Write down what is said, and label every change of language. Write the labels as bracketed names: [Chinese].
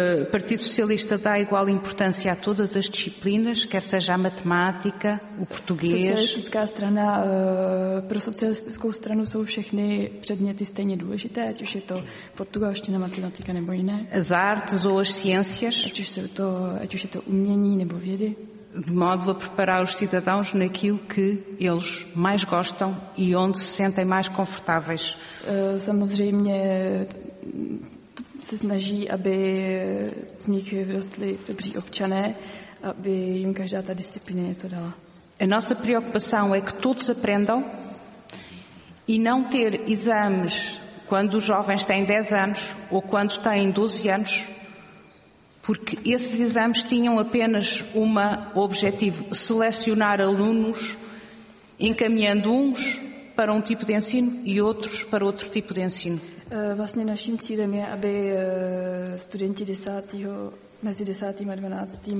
[Portuguese] Partido Socialista dá igual importância a todas as disciplinas, quer seja a matemática, o português. [Czech] Socialistická strana, pro socialistickou stranu jsou všechny předměty stejně důležité, ať už je to portugalština, matematika nebo jiné. [Portuguese] As artes ou as ciências. [Czech] Ať už je to umění nebo vědy. [Portuguese] De modo a preparar os cidadãos naquilo que eles mais gostam e onde se sentem mais confortáveis. [Czech] Samozřejmě se snaží, aby z nich vyrostli dobří občané, aby jim každá ta disciplína něco dala. [Portuguese] A nossa preocupação é que todos aprendam e não ter exames quando os jovens têm 10 anos ou quando têm 12 anos. Porque esses exames tinham apenas um objetivo, selecionar alunos, encaminhando uns para um tipo de ensino e outros para outro tipo de ensino. [Czech] Vlastně naším cílem je, aby studenti mezi 10. a 12.